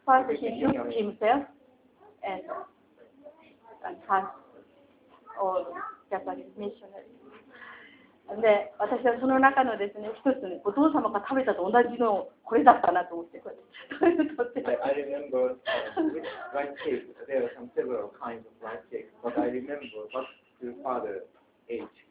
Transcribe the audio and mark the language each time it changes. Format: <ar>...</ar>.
<en>father, he looked himself and asked all Japanese missionaries.</en> <ja>And 私はその中のですね、一つね、お父様が食べたと同じのこれだったなと思って、</ja> <en>I remember rice cake. There are some several kinds of rice cake, but I remember what your father ate.</en>